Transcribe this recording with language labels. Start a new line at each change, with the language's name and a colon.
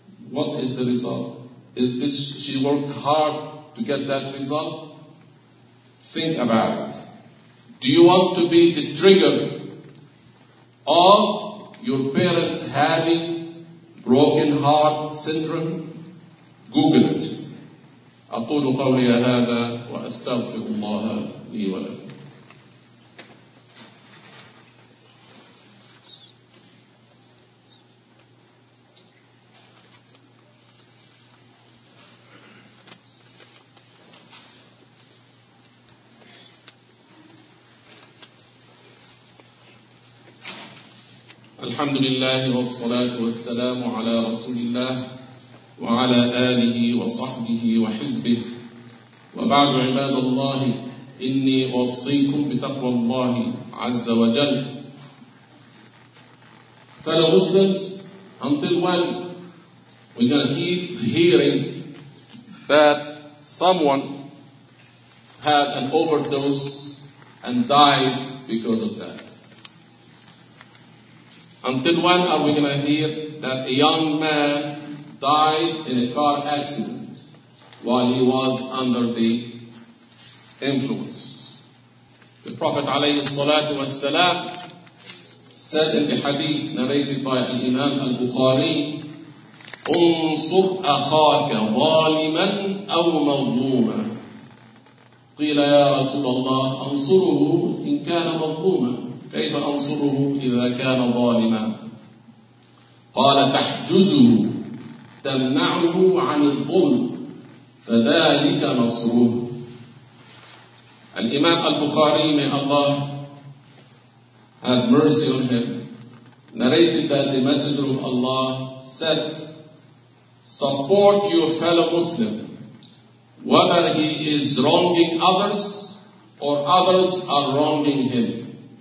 English: What is the result? Is this, she worked hard to get that result? Think about it. Do you want to be the trigger of your parents having broken heart syndrome? Google it.
Arabic: أقول قولي هذا وأستغفر الله لي ولكم. الحمد لله والصلاة والسلام على رسول الله وعلى آله وصحبه وحزبه. وبعد عباد الله إني أوصيكم بتقوى الله عز وجل.
English: Fellow Muslims, until when we gonna keep hearing that someone had an overdose and died because of that? Until when are we gonna hear that a young man died in a car accident while he was under the influence? The Prophet
Arabic: عليه الصلاة والسلام
English: said in the hadith narrated by Imam al-Bukhari,
Arabic: انصر أخاك ظالما أو مظلوما. قيل يا رسول الله أنصره إن كان مظلوما كيف أنصره إذا كان ظالما؟ قال تحجزه تمنعه عن الظلم فذلك نصره.
English: الإمام البخاري may Allah have mercy on him narrated that the Messenger of Allah said, support your fellow Muslim whether he is wronging others or others are wronging him.